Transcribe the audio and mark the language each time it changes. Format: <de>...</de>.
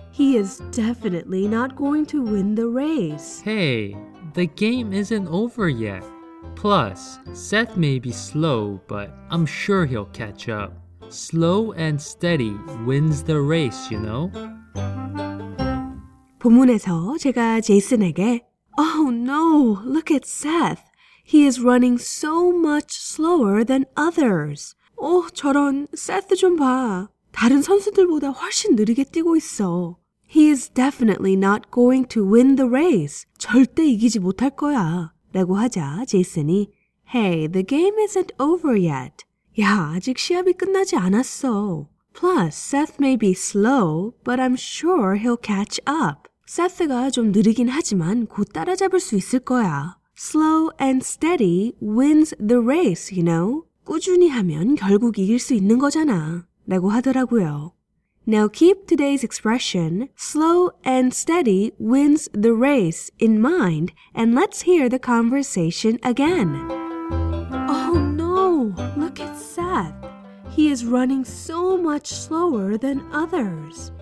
<en>He is definitely not going to win the race. Hey, the game isn't over yet. Plus, Seth may be slow, but I'm sure he'll catch up. Slow and steady wins the race, you know?</en> <ko>본문에서 제가 제이슨에게</ko> <en>Oh no, look at Seth. He is running so much slower than others.</en> <ko>저런, Seth 좀 봐. 다른 선수들보다 훨씬 느리게 뛰고 있어.</ko> <en>He is definitely not going to win the race.</en> <ko>절대 이기지 못할 거야. 라고 하자 제이슨이</ko> <en>Hey, the game isn't over yet.</en> <ko>야, 아직 시합이 끝나지 않았어.</ko> <en>Plus, Seth may be slow, but I'm sure he'll catch up.</en> <ko>Seth가 좀 느리긴 하지만 곧 따라잡을 수 있을 거야.</ko> <en>Slow and steady wins the race, you know.</en> <ko>꾸준히 하면 결국 이길 수 있는 거잖아. 라고 하더라고요.</ko> <en>Now keep today's expression, slow and steady wins the race, in mind, and let's hear the conversation again. Oh no, look at Seth. He is running so much slower than others.</en>